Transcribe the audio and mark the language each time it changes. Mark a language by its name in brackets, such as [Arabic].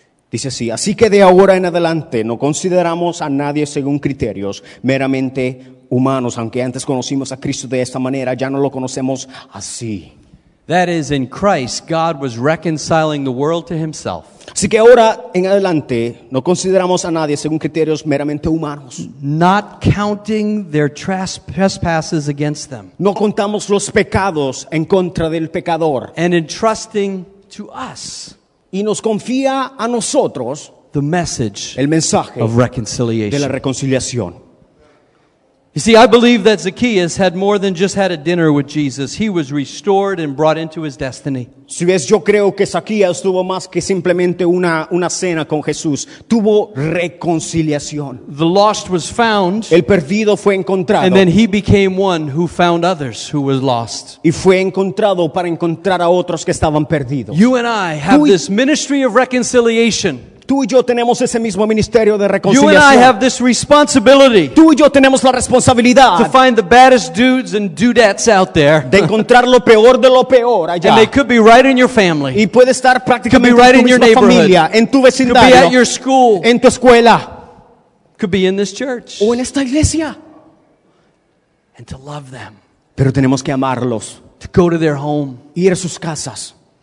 [Spanish] Dice así, así que de ahora en adelante no consideramos a nadie según criterios meramente humanos. Aunque antes conocimos a Cristo de esta manera, ya no lo conocemos así. [English] That is, in Christ, God was reconciling the world to himself. [Spanish] Así que ahora en adelante no consideramos a nadie según criterios meramente humanos. [English] Not counting their trespasses against them. [Spanish] No contamos los pecados en contra del pecador. [English] And entrusting to us. [Spanish] Y nos confía a nosotros [English] the message [Spanish] el mensaje [English] of reconciliation. [Spanish] De la reconciliación. [English] You see, I believe that Zacchaeus had more than just had a dinner with Jesus. He was restored and brought into his destiny. [Spanish] Si ves, yo creo que Zacchaeus tuvo más que simplemente una cena con Jesús. Tuvo reconciliación. [English] The lost was found. [Spanish] El perdido fue encontrado. [English] And then he became one who found others who was lost. [Spanish] Y fue encontrado para encontrar a otros que estaban perdidos. [English] You and I have this ministry of reconciliation. [Spanish] Tú y yo tenemos ese mismo ministerio de reconciliación. [English] You and I have this responsibility. [Spanish] Tú y yo tenemos la responsabilidad. [English] To find the baddest dudes and dudettes out there. [Spanish] De encontrar lo peor de lo peor allá. [English] And they could be right in your family. [Spanish] Y puede estar prácticamente [English] could be right [Spanish] en tu [English] in your neighborhood. [Spanish] Familia, en tu vecindario. [English] Could be at your school. [Spanish] En tu escuela. [English] Could be in this church. [Spanish] O en esta iglesia. [English] And to love them. [Spanish] Pero tenemos que amarlos. [English] To go to their home. [Spanish] Ir a sus casas.